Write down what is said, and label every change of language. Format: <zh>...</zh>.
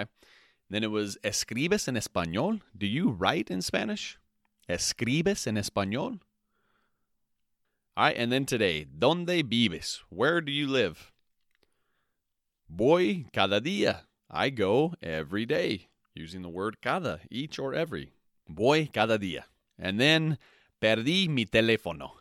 <en>And then it was,</en> <es>¿escribes en español?</es> <en>Do you write in Spanish?</en> <es>¿Escribes en español?</es> <en>All right. And then today,</en> <es>¿dónde vives?</es> <en>Where do you live?</en> <es>Voy cada día.</es> <en>I go every day, using the word cada, each or every.</en> <es>Voy cada día.</es> <en>And then,</en> <es>perdí mi teléfono.</es>